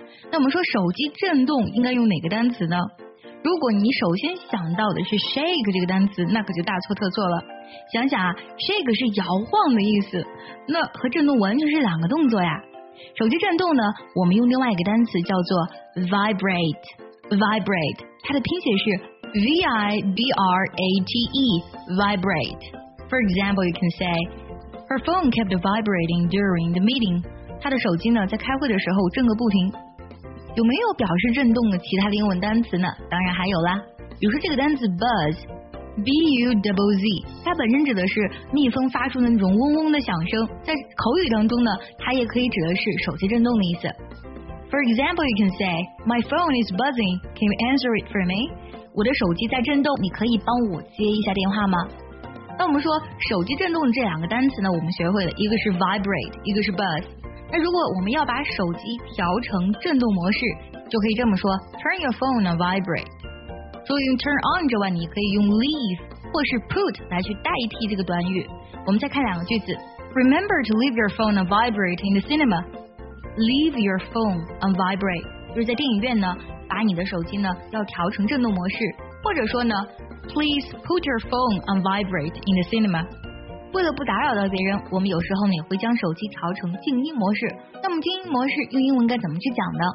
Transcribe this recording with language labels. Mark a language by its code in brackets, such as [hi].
[zh] 那我们说手机震动应该用哪个单词呢？如果你首先想到的是 shake 这个单词，那可就大错特错了。想想啊 ，shake 是摇晃的意思，那和震动完全是两个动作呀。手机震动呢，我们用另外一个单词叫做 vibrate， 它的拼写是。 [en] V-I-B-R-A-T-E, vibrate. For example, you can say, Her phone kept vibrating during the meeting. [zh] 她的手机呢在开会的时候震个不停。有没有表示震动的其他的英文单词呢？当然还有啦。比如说这个单词 buzz, B-U-Z-Z, 它本身指的是蜜蜂发出的那种嗡嗡的响声，在口语当中呢，它也可以指的是手机震动的意思。 [en] For example, you can say, My phone is buzzing. Can you answer it for me? [zh] 我的手机在震动，你可以帮我接一下电话吗？那我们说手机震动这两个单词呢，我们学会了一个是 vibrate， 一个是 buzz。那如果我们要把手机调成震动模式，就可以这么说： [en] Turn your phone on vibrate。 [zh] 除了用 turn on 之外，你可以用 leave 或是 put 来去代替这个短语。我们再看两个句子： [en] Remember to leave your phone on vibrate in the cinema. Leave your phone on vibrate， [zh] 就是在电影院呢，把你的手机呢要调成震动模式，或者说呢 ， [en] Please put your phone on vibrate in the cinema。 [zh] 为了不打扰到别人，我们有时候呢也会将手机调成静音模式。那么静音模式用英文该怎么去讲呢？